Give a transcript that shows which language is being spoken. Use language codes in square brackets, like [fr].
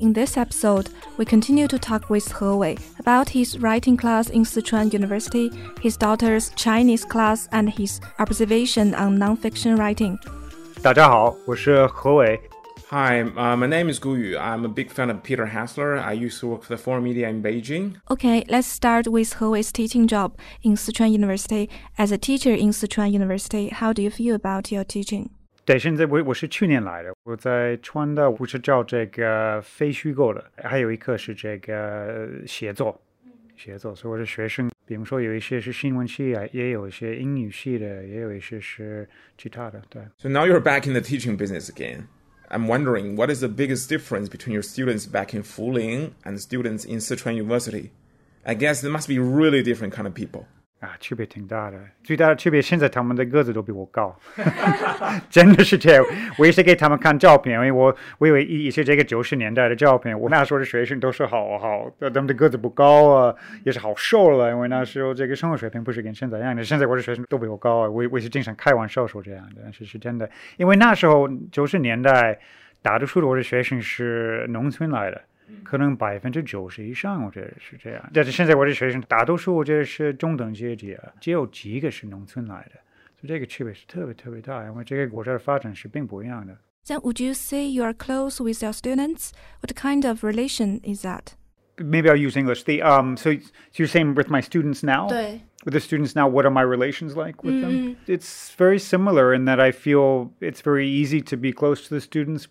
[en] In this episode, we continue to talk with He Wei about his writing class in Sichuan University, his daughter's Chinese class, and his observation on nonfiction writing. [zh] 大家好，我是何伟。 [en] Hi, my name is Gu Yu. I'm a big fan of Peter Hessler. I used to work for the foreign media in Beijing. Okay, let's start with He Wei's teaching job in Sichuan University. As a teacher in Sichuan University, how do you feel about your teaching? [zh] 对，现在我是去年来的，我在川大，我是教这个非虚构的，还有一课是这个写作，所以我是学生。比如说有一些是新闻系啊，也有一些英语系的，也有一些是其他的。对。 [en] So now you're back in the teaching business again. I'm wondering what is the biggest difference between your students back in Fuling and students in Sichuan University? I guess there must be really different kind of people. [zh] 啊，区别挺大的。最大的区别，现在他们的个子都比我高，真的是这样。我也是给他们看照片，因为我以为一些这个90年代的照片，我那时候的学生都是好，他们的个子不高啊，也是好瘦了，因为那时候这个生活水平不是跟现在一样的。现在我的学生都比我高啊，我也是经常开玩笑说这样的，是真的。因为那时候90年代，大多数的我的学生是农村来的。可能90%以上，我觉得是这样。但是现在我的学生大多数，我觉得是中等阶级啊，只有几个是农村来的，所以这个区别是特别特别大，因为这个国家的发展是并不一样的。 [en] Then would you say you are close with your students? What kind of relation is that? Maybe I'll use English. So you're saying with my students now? [zh] 对。 [en] With the students now, what are my relations like with them? It's very similar in that I feel it's very easy to be close to the students.